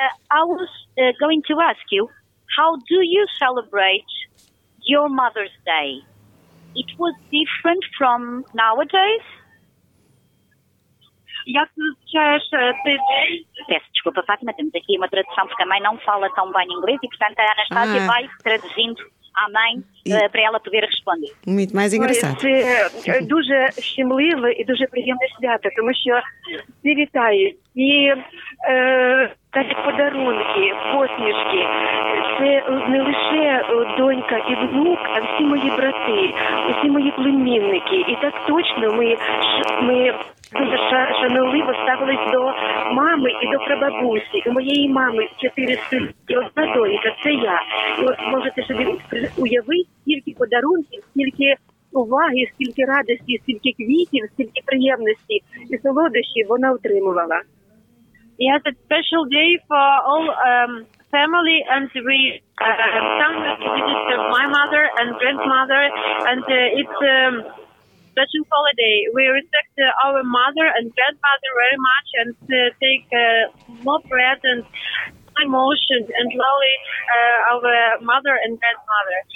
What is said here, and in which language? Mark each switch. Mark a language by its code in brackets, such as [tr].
[en] I was going to ask you, how do you celebrate your Mother's Day? It was different from nowadays? [uk] Як ти зустрічаєш цей день? [pt] Peço desculpa, Fátima, temos aqui uma tradução, porque a mãe não fala tão bem inglês e, portanto, a Anastasia vai traduzindo à mãe para ela poder responder. Muito mais engraçado. [uk] Це дуже щемливе і дуже приємне свято, тому що всі вітають. І такі подарунки, посмішки. Це не лише донька і внук, а всі мої брати, всі мої племінники. І так точно ми дуже шанливо ставились до мами і до прабабусі. У моєї мами 4 сини і одна донька, це я. І от можете собі уявити, скільки подарунків, скільки уваги, скільки радості, скільки квітів, скільки приємності і солодощів вона отримувала. [en] Yes, it's a special day for all family, and we come to visit my mother and grandmother, and it's a special holiday. We respect our mother and grandmother very much, and take more presents, emotions, and lovely our mother and grandmother.